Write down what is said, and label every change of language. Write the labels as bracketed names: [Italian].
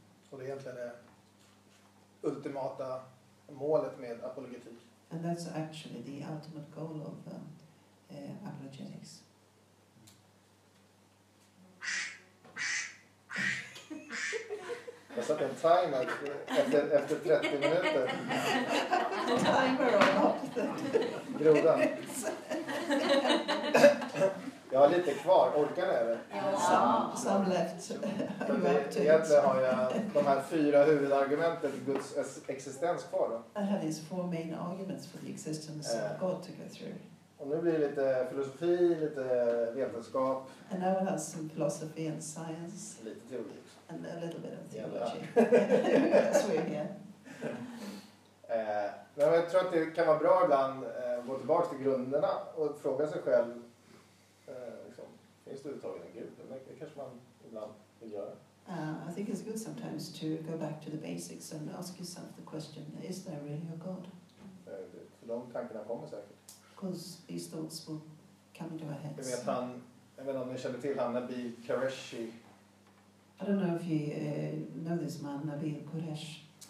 [Swedish] Och det är egentligen det ultimata målet med apologetik. [English] And that's actually the ultimate goal of apologetics. [Swedish] Jag satte en timer efter 30 minuter. [English] Timer on off. [Swedish] Grodan. Jag har lite kvar. Orkar ni eller? [English] Some left. [Swedish] Egentligen har jag de här fyra huvudargumenten för Guds existens kvar då. [English] I have these four main arguments for the existence of God to go through. [Swedish] Och nu blir det lite filosofi, lite vetenskap. [English] And now we have some philosophy and science. [Swedish] Lite teori. [English] And a little bit of theology. Yeah, yeah. [Swedish] Men jag tror att det kan vara bra ibland att gå tillbaka till grunderna och fråga sig själv, liksom, finns det uttaget en gud? Det kanske man ibland vill göra. [English] I think it's good sometimes to go back to the basics and ask yourself the question, is there really a god? [Swedish] För de tankarna kommer säkert. [English] Because these thoughts will come into our heads. [Swedish] Jag vet han, jag vet om ni känner till han, Nabi Qureshi. [English] I don't know if you know this man, Nabil Quresh.